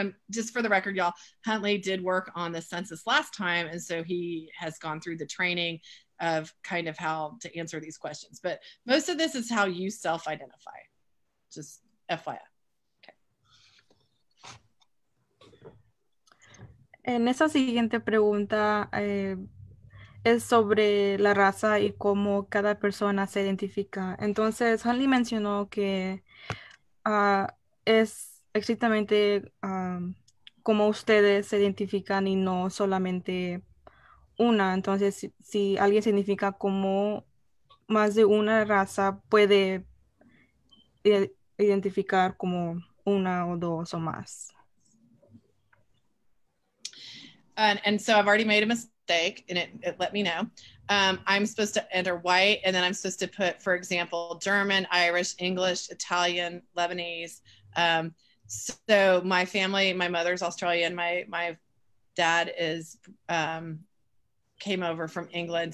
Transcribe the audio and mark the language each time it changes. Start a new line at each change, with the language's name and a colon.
English: Just for the record, y'all, Huntley did work on the census last time, and so he has gone through the training of kind of how to answer these questions, but most of this is how you self-identify, just FYI.
Spanish: En esa siguiente pregunta es sobre la raza y cómo cada persona se identifica. Entonces, Huntley mencionó que es exactamente como ustedes se identifican y no solamente una. Entonces, si alguien se identifica como más de una raza, puede identificar como una o dos o más.
English: And so I've already made a mistake, and it let me know. I'm supposed to enter white, and then I'm supposed to put, for example, German, Irish, English, Italian, Lebanese. So my family, my mother's Australian, my dad is came over from England.